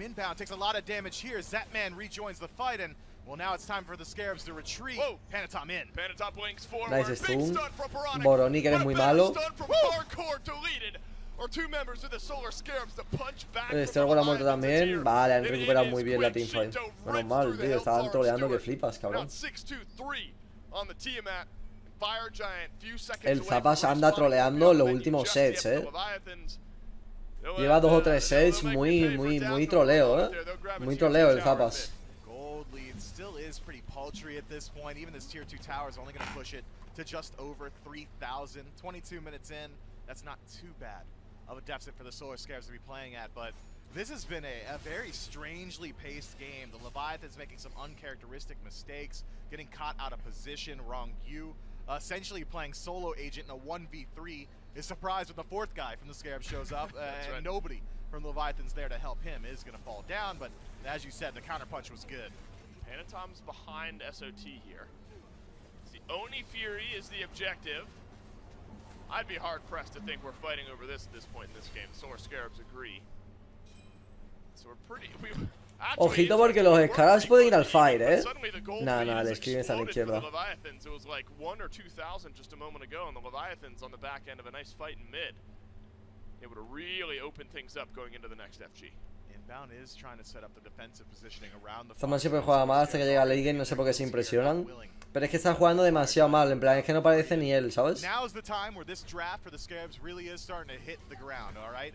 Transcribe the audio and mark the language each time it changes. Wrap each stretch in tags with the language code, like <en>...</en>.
<en>Inbound takes a lot of damage here. Zapman rejoins the fight, and well, now it's time for the Scarabs to retreat. Whoa. Panatom in. Panatom blinks forward. Nice big stun from Boronic.</en> <es>Boronic, eres muy malo.</es> <en>Hardcore deleted. Or two members of the Solar Scarabs to punch back.</en> <es>Este luego la muerte también. Vale, han recuperado muy bien la teamfight. Menos mal, tío, estaban troleando que flipas, cabrón. 6-2-3 on the Tiamat. Fire Giant, few seconds. El Zapas anda troleando los últimos sets, eh. Lleva dos o tres sets muy troleo, eh. Muy troleo el Zapas.</es> <en>Gold lead still is pretty paltry at this point. Even this tier 2 tower is only going to push it to just over 3000. 22 minutes in. That's not too bad of a deficit for the Solar Scarabs to be playing at, but this has been a very strangely paced game. The Leviathan's making some uncharacteristic mistakes, getting caught out of position. Rongyu essentially playing solo agent in a 1v3 is surprised when the fourth guy from the Scarab shows up. And right. Nobody from the Leviathan's there to help him is going to fall down. But as you said, the counterpunch was good. Panatom's behind SOT here. The Oni Fury is the objective. I'd be hard pressed to think we're fighting over this at this point in this game. The Solar Scarabs agree. So we're pretty.</en> <es>Ojito, porque los escarabs pueden ir al fight, eh. Nah, el screen está a la izquierda.</es> <en>It was like 1 or 2,000 just a moment ago, and the Leviathans on the back end of a nice fight in mid. It would really open things up going into the next FG. Inbound is trying to set up the defensive positioning around the.</en> <es>Zaman siempre juega mal hasta que llega Lee Game, no sé por qué se impresionan. Pero es que está jugando demasiado mal, en plan, es que no parece ni él, ¿sabes?</es> <en>Now is the time where this draft for the Scarabs really is starting to hit the ground, all right?</en>